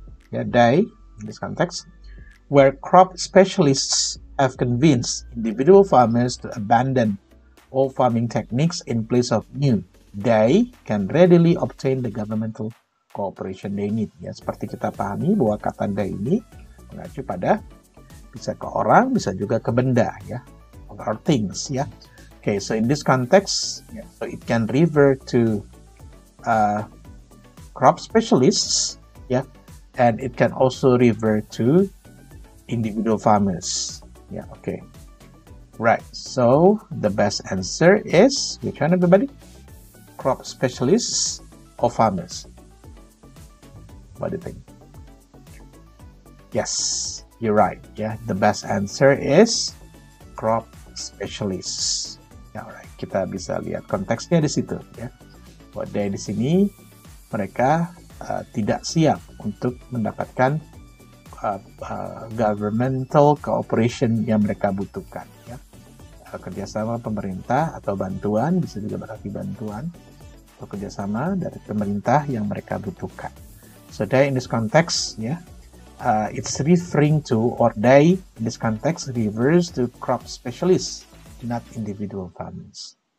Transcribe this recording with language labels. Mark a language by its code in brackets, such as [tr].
[en] Yeah, day, in this context, where crop specialists have convinced individual farmers to abandon old farming techniques in place of new, they can readily obtain the governmental cooperation they need. [id] Ya, seperti kita pahami bahwa kata day ini mengacu pada bisa ke orang, bisa juga ke benda, ya, [en] or things, [id] ya. [en] Okay, so in this context, yeah, so it can refer to crop specialists, yeah. And it can also refer to individual farmers. Yeah, okay. Right, so the best answer is, which one, everybody? Crop specialists or farmers? What do you think? Yes, you're right. Yeah, the best answer is crop specialists. Yeah, alright, [id] kita bisa lihat konteksnya di situ. Yeah. [en] What they [id] di sini, mereka tidak siap untuk mendapatkan governmental cooperation yang mereka butuhkan, ya. Kerjasama pemerintah atau bantuan, bisa juga berarti bantuan atau kerjasama dari pemerintah yang mereka butuhkan. [en] So they in this context, ya, yeah, it's referring to, or they in this context refers to crop specialists, not individual farmers.